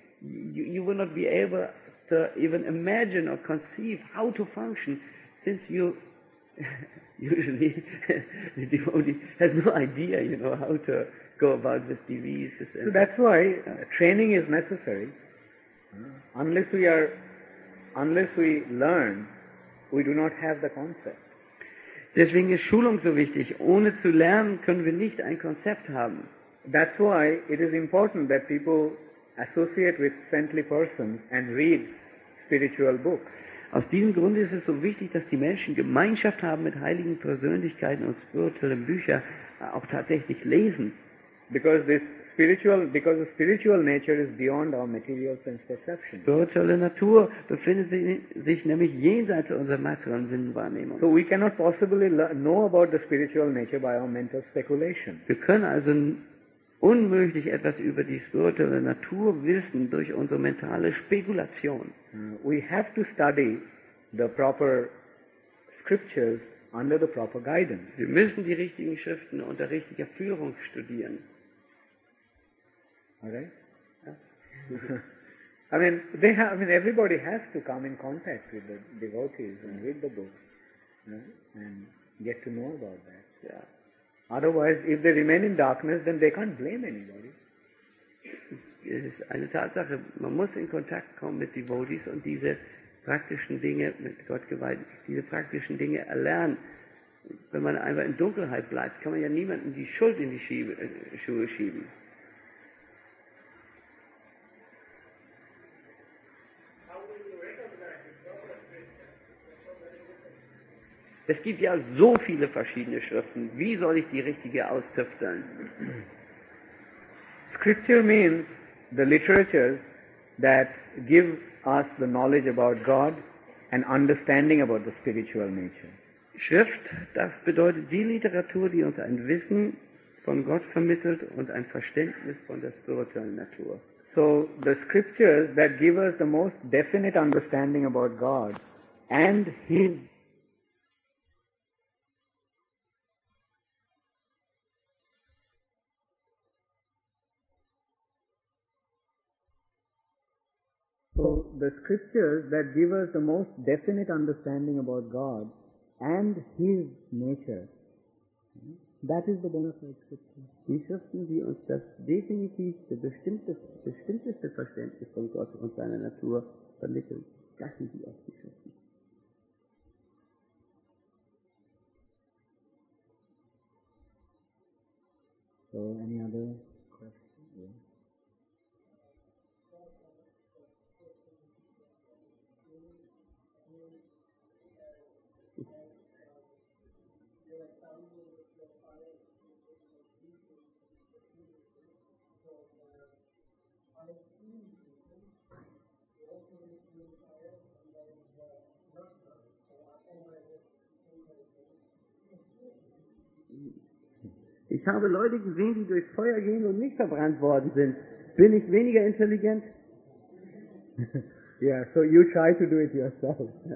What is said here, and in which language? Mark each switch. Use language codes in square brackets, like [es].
[en] You will not be able to even imagine or conceive how to function, since you usually the devotee has no idea, you know, how to go about this disease. So that's why training is necessary. Unless we learn, we do not have the concept. [de] Deswegen ist Schulung so wichtig. Ohne zu lernen können wir nicht ein Konzept haben. [en] That's why it is important that people associate with saintly persons and read spiritual books. [de] Aus diesem Grunde ist es so wichtig, dass die Menschen Gemeinschaft haben mit heiligen Persönlichkeiten und spirituellen Büchern auch tatsächlich lesen. [en] Because the spiritual nature is beyond our material sense perception. [de] Spirituelle Natur befindet sich nämlich jenseits unserer materiellen Sinnenwahrnehmung. [en] So we cannot possibly know about the spiritual nature by our mental speculation. [de] Wir können also unmöglich etwas über die spirituelle Natur wissen durch unsere mentale Spekulation. [en] We have to study the proper scriptures under the proper guidance. [de] Wir müssen die richtigen Schriften unter richtiger Führung studieren. [en] Okay? Yeah. Everybody has to come in contact with the devotees and read the books, yeah, and get to know about that. Yeah. Otherwise, if they remain in darkness, then they can't blame anybody. [de] Es ist eine Tatsache, man muss in Kontakt kommen mit Devotees und diese praktischen Dinge, mit Gott geweiht, diese praktischen Dinge erlernen. Wenn man einfach in Dunkelheit bleibt, kann man ja niemandem die Schuld in die Schuhe schieben. Es gibt ja so viele verschiedene Schriften. Wie soll ich die richtige austüfteln? [en] Scripture means the literatures that give us the knowledge about God and understanding about the spiritual nature. [de] Schrift, das bedeutet die Literatur, die uns ein Wissen von Gott vermittelt und ein Verständnis von der spirituellen Natur. [en] So the scriptures that give us the most definite understanding about God and His. So the scriptures that give us the most definite understanding about God and His nature, That is the bona fide scripture. [de] Die Schriften, die uns das definitivste, bestimmteste Verständnis von Gott und seiner Natur vermitteln, das sind die echten Schriften. [en] So, any other questions? Yeah. [de] Ich habe Leute gesehen, die durch Feuer gehen und nicht verbrannt worden sind. Bin ich weniger intelligent? [en] Yeah, so you try to do it yourself.